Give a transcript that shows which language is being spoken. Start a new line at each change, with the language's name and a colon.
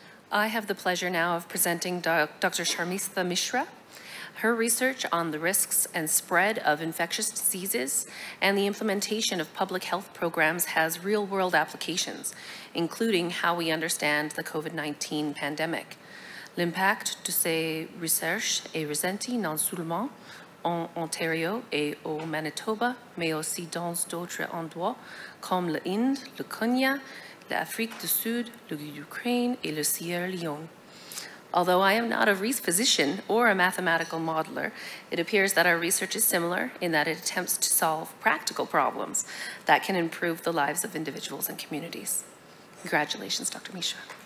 English: I have the pleasure now of presenting Dr. Sharmistha Mishra, her research on the risks and spread of infectious diseases and the implementation of public health programs has real-world applications, including how we understand the COVID-19 pandemic.
French: L'impact de ces recherches est ressenti non seulement en Ontario et au Manitoba, mais aussi dans d'autres endroits comme l'Inde, le Kenya, l'Afrique du Sud, l'Ukraine et le Sierra Leone.
English: Although I am not a physician or a mathematical modeler, it appears that our research is similar in that it attempts to solve practical problems that can improve the lives of individuals and communities. Congratulations, Dr. Mishra.